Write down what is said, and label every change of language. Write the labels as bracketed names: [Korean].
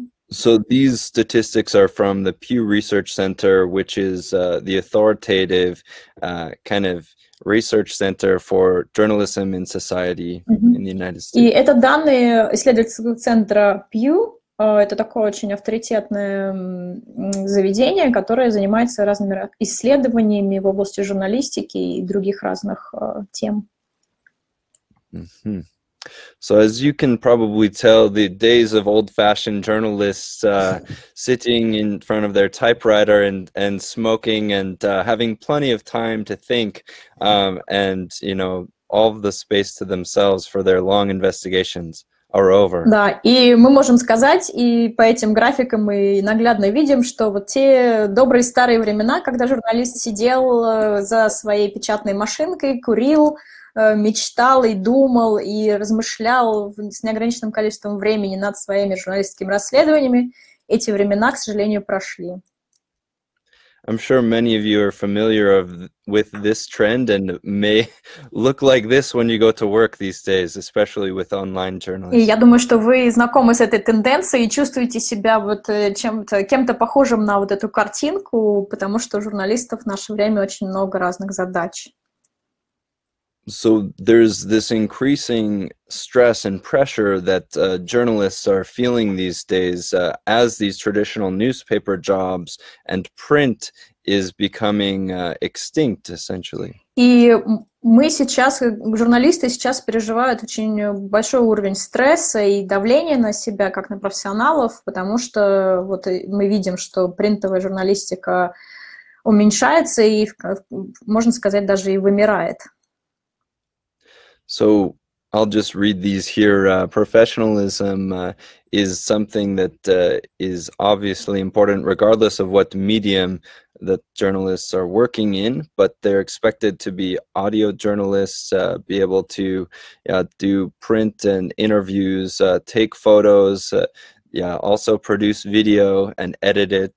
[English] So these statistics are from the Pew Research Center, which is the authoritative kind of research center for journalism and society in the United States. [Russian] И это данные исследовательского центра Pew. Это такое очень авторитетное заведение, которое занимается разными исследованиями в области журналистики и других разных тем. [English] So as you can probably tell, the days of old-fashioned journalists sitting in front of their typewriter and smoking and having plenty of time to think and, you know, all of the space to themselves for their long investigations. Over. [Russian] Да, и мы можем сказать, и по этим графикам мы наглядно видим, что вот те добрые старые времена, когда журналист сидел за своей печатной машинкой, курил, мечтал и думал, и размышлял с неограниченным количеством времени над своими журналистскими расследованиями, эти времена, к сожалению, прошли. [English] I'm sure many of you are familiar with this trend and may look like this when you go to work these days, especially with online journalism. [Russian] И я думаю, что вы знакомы с этой тенденцией и чувствуете себя вот кем-то похожим на вот эту картинку, потому что у журналистов в наше время очень много разных задач. [English] So there's this increasing stress and pressure that journalists are feeling these days as these traditional newspaper jobs and print is becoming extinct, essentially. [Russian] И мы сейчас, журналисты сейчас переживают очень большой уровень стресса и давления на себя, как на профессионалов, потому что вот мы видим, что принтовая журналистика уменьшается и, можно сказать, даже и вымирает. [English] So I'll just read these here. Professionalism is something that is obviously important regardless of what medium that journalists are working in, but they're expected to be audio journalists, be able to do print and interviews, take photos, also produce video and edit it.